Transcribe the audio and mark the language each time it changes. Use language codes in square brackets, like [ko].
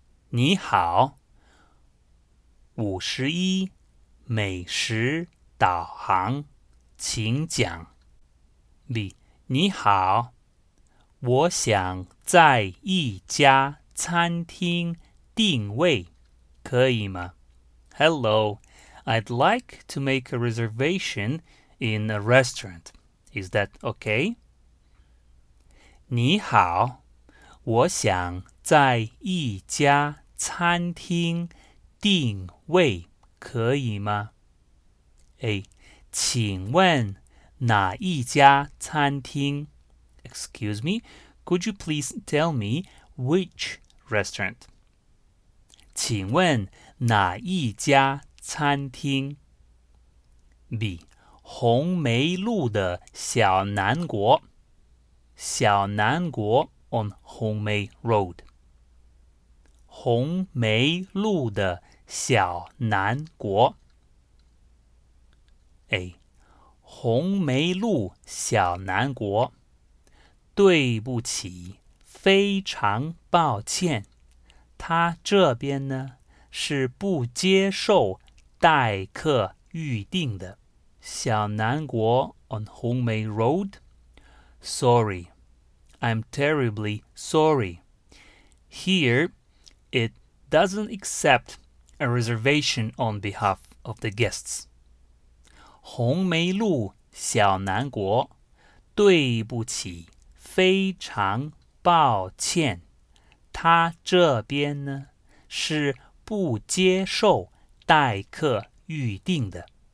[zh] 你好。五十一美食导航，请讲。李，你好，我想在一家餐厅定位，可以吗？ [en] Hello, I'd like to make a reservation in a restaurant. Is that okay? [zh] 你好，我想在一家餐厅定位，可以吗？ A. 请问哪一家餐厅？ [en] Excuse me, could you please tell me which restaurant? [zh] 请问哪一家餐厅？ B. 红梅路的小南国。 [en] 小南国 on 红梅 road。 [zh] 红梅路的小南国。 A. 红梅路小南国。对不起，非常抱歉。他这边呢，是不接受待客预定的。 [en] 小南国 on 红梅 road。 Sorry, I'm terribly sorry. Here, it doesn't accept a reservation on behalf of the guests. [zh] 红梅路小南国，对不起，非常抱歉。他这边呢，是不接受待客预定的。